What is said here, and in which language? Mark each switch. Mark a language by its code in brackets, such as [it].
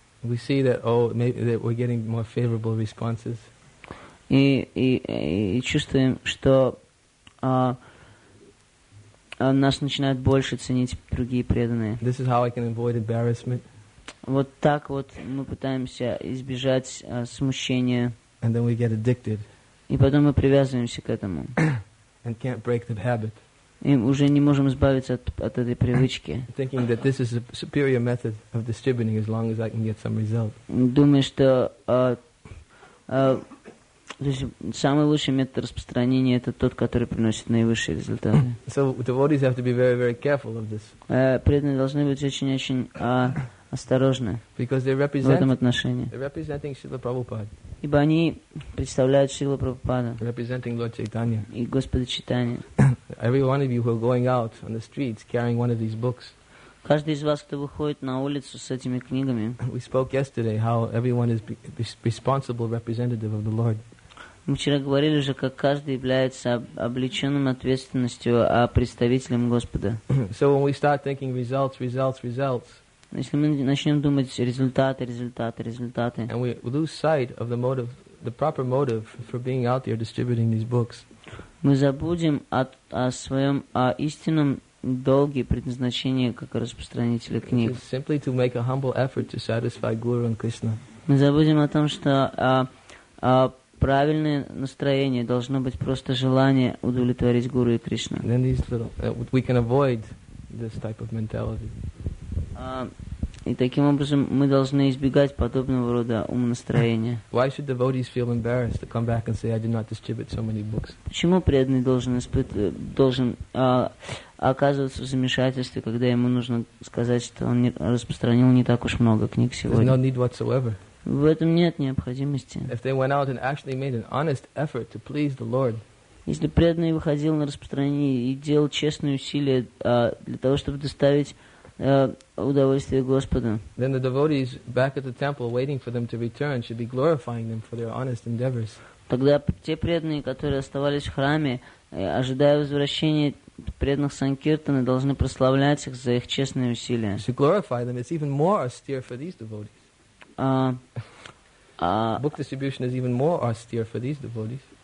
[en] We see that, maybe that we're getting more favorable responses. [ru] И чувствуем, что нас начинают больше ценить другие преданные. [en] This is how I can avoid embarrassment. [ru] Вот так вот мы пытаемся избежать смущения. [en] And then we get addicted. [ru] И потом мы привязываемся к этому. [en] And can't break that habit. [ru] И уже не можем избавиться от этой привычки. [en] Thinking that this is a superior method of distributing as long as I can get some result. [ru] Думаю, что то есть самый лучший метод распространения это тот, который приносит наивысшие результаты. [en] So devotees have to be very, very careful of this. [ru] Преданные должны быть очень-очень осторожны в этом отношении. [en] They're representing Srila Prabhupada. [ru] Ибо они представляют Шрилу Прабхупаду. [en] Representing Lord Chaitanya. [ru] И Господа Чайтанью. [en] Every one of you who are going out on the streets carrying one of these books. [ru] Каждый из вас, кто выходит на улицу с этими книгами. [en] We spoke yesterday how everyone is responsible representative of the Lord. [ru] Мы вчера говорили уже, как каждый является облеченным ответственностью, а представителем Господа. [en] So when we start thinking results, results, results. [ru] Если мы начнем думать результаты, результаты, результаты. [en] And we lose sight of the motive, the proper motive for being out there distributing these books. [ru] Мы забудем о своем истинном долге предназначении как распространителя книг. [en] It's simply to make a humble effort to satisfy Guru and Krishna. [ru] Мы забудем о том, что правильное настроение должно быть просто желание удовлетворить Гуру и Кришну. [en] Then these little, we can avoid this type of mentality. [ru] И таким образом мы должны избегать подобного рода умонастроения. [en] Why should devotees feel embarrassed to come back and say, "I did not distribute so many books"? [ru] Почему преданный должен оказываться в замешательстве, когда ему нужно сказать, что он не распространил не так уж много книг сегодня? [en] There's no need whatsoever. [ru] В этом нет необходимости. [en] If they went out and actually made an honest effort to please the Lord. [ru] Если преданный выходил на распространение и делал честные усилия для того, чтобы доставить удовольствие Господу. [en] Then the devotees back at the temple waiting for them to return should be glorifying them for their honest endeavors. [ru] Тогда те преданные, которые оставались в храме, ожидая возвращения, преданных санкиртаны должны прославлять их за их честные усилия. [en] To glorify them, it's even more austere for these devotees. Book distribution is even more austere for these devotees.